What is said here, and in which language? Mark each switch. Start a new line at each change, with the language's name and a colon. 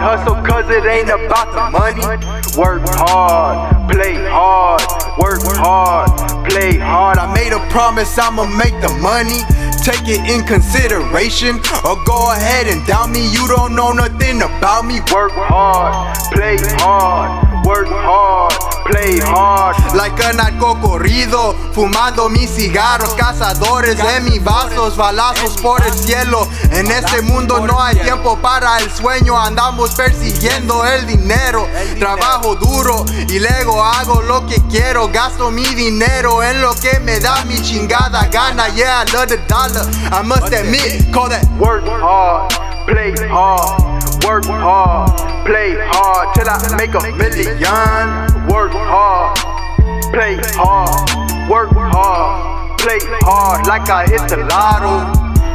English: Hustle cause it ain't about the money. Work hard, play hard, work hard, play hard. I made a promise I'ma make the money. Take it in consideration, or go ahead and doubt me. You don't know nothing about me. Work hard, play hard, work hard, play hard. Like a
Spanish: narco corrido, fumando mis cigarros, cazadores de mis vasos, balazos por el cielo. En este mundo no hay tiempo para el sueño, andamos persiguiendo el dinero. Trabajo duro y luego hago lo que quiero, gasto mi dinero en lo que me da mi chingada gana.
English: Yeah, I love the dollar, I must admit, call that work hard, play hard. Work hard, play hard, till I make a million. Work hard, play hard, work hard, play hard, like I hit the lotto.